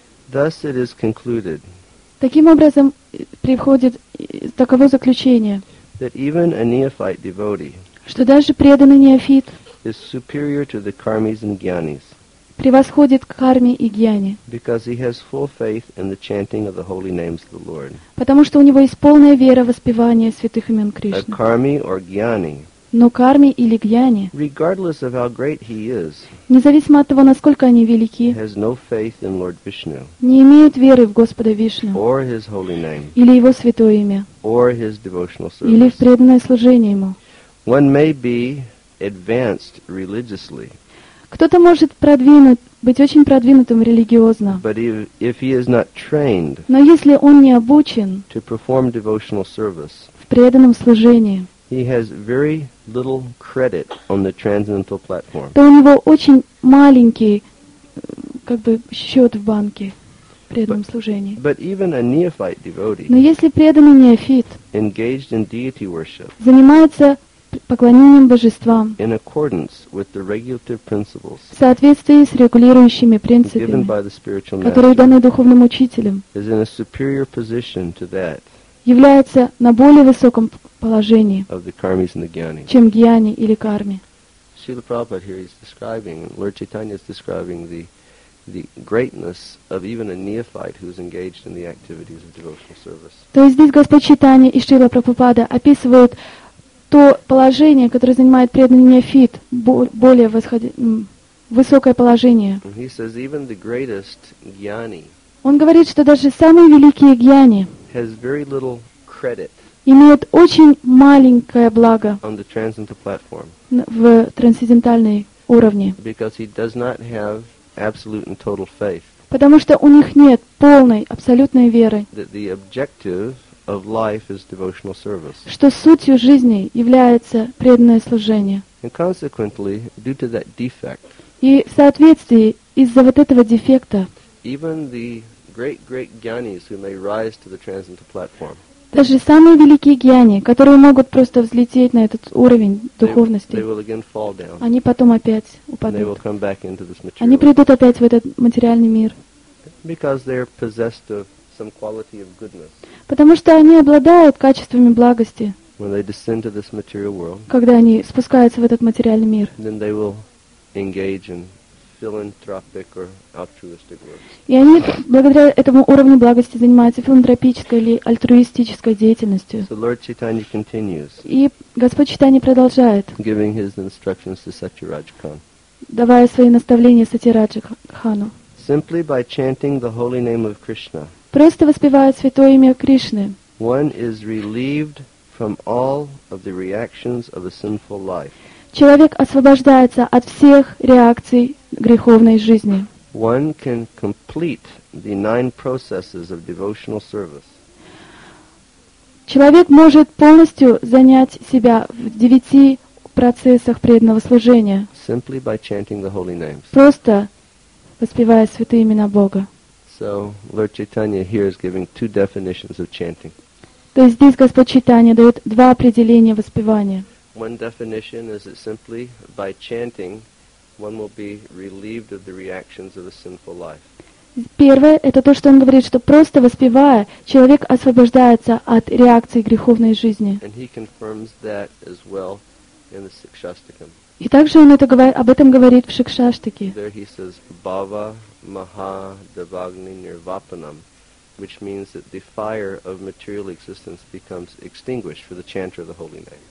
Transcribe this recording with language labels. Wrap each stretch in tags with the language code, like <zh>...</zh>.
<en>Thus it is concluded,</en> <ru>таким образом приходит таково заключение,</ru> <en>that even a neophyte devotee,</en> <ru>что даже преданный неофит</ru> <en>is superior to the karmis and gyanis.</en> <ru>Превосходит карме и гьяне.</ru> <en>Because he has full faith in the chanting of the holy names of the Lord.</en> <ru>Потому что у него есть полная вера в воспевание святых имен Кришны.</ru> <en>A karmi or gyani.</en> <ru>Но карме или гьяне.</ru> <en>Regardless of how great he is.</en> <ru>Независимо от того, насколько они велики.</ru> <en>Has no faith in Lord Vishnu.</en> <ru>Не имеют веры в Господа Вишну.</ru> <en>Or his holy name.</en> <ru>Или его святое имя.</ru> <en>Or his devotional service.</en> <ru>Или в преданное служение ему.</ru> <en>One may be advanced religiously.</en> <ru>Кто-то может быть очень продвинутым религиозно.</ru> <en>But if he is not trained,</en> <ru>но если он не обучен</ru> <en>to perform devotional service,</en> <ru>в преданном служении,</ru> <en>he has very little credit on the transcendental platform.</en> <ru>То у него очень маленький, как бы, счет в банке в преданном служении.</ru> <en>But even a neophyte devotee,</en> <ru>но если преданный неофит</ru> <en>engaged in deity worship,</en> <ru>занимается поклонением божествам</ru> <en>in accordance with the regulative principles,</en> <ru>в соответствии с регулирующими принципами, которые даны духовным учителем,</ru> <en>is in a superior position to that,</en> <ru>является на более высоком положении,</ru> <en>of the karmis and the gyani,</en> <ru>чем гьяни или карми.</ru> <en>Srila Prabhupada here is describing, Lord Chaitanya is describing the greatness of even a neophyte who is engaged in the activities of devotional service.</en> <ru>То есть здесь Господь Чайтанья и Шрила Прабхупада описывают то положение, которое занимает преданный неофит, более высокое положение.</ru> <en>He says, even the greatest gyani,</en> <ru>он говорит, что даже самые великие гьяни</ru> <en>has very little credit,</en> <ru>имеют очень маленькое благо</ru> <en>on the transcendental platform,</en> <ru>в трансцендентальной уровне,</ru> <en>because he does not have absolute and total faith,</en> <ru>потому что у них нет полной, абсолютной веры,</ru> <en>that the objective of life is devotional service.</en> <ru>Что сутью жизни является преданное служение.</ru> <en>And consequently, due to that defect,</en> <ru>и в соответствии из-за вот этого дефекта,</ru> <en>even the great gyanis who may rise to the transcendental platform,</en> <ru>даже самые великие гьяни, которые могут просто взлететь на этот уровень духовности,</ru> <en>they will again fall down,</en> <ru>они потом опять упадут.</ru> <en>They will come back into this material.</en> <ru>Они придут опять в этот материальный мир.</ru> <en>Because they're possessed of some quality of goodness.</en> <ru>Потому что они обладают качествами благости.</ru> <en>When they descend to this material world,</en> <ru>когда они спускаются в этот материальный мир,</ru> <en>then they will engage in philanthropic or altruistic work.</en> <ru>И они благодаря этому уровню благости занимаются филантропической или альтруистической деятельностью.</ru> <en>So Lord Chaitanya continues,</en> <ru>и Господь Чайтанья продолжает,</ru> <en>giving his instructions to Satyaraj Khan,</en> <ru>давая свои наставления Сатираджа Хану.</ru> <en>Simply by chanting the holy name of Krishna,</en> <ru>просто воспевая святое имя Кришны,</ru> <en>one is relieved from all of the reactions of a sinful life.</en> <ru>Человек освобождается от всех реакций греховной жизни.</ru> <en>One can complete the nine processes of devotional service.</en> <ru>Человек может полностью занять себя в девяти процессах преданного служения.</ru> <en>Simply by chanting the holy names.</en> <ru>Просто воспевая святые имена Бога.</ru> <en>So, Lord Chaitanya here is giving two definitions of chanting.</en> <ru>То есть здесь Господь Чайтанья дает два определения воспевания.</ru> <en>One definition is that simply by chanting, one will be relieved of the reactions of a sinful life.</en> <ru>Первое, это то, что он говорит, что просто воспевая, человек освобождается от реакции греховной жизни.</ru> <en>And he confirms that as well in the Sikshastakam.</en> <ru>И также он это говорит, об этом говорит в Шикшаштике.</ru> <en>There he says,</en> <sa>Bhava Maha Devagni Nirvapanam,</sa> <en>which means that the fire of material existence becomes extinguished for the chanter of the holy name.</en>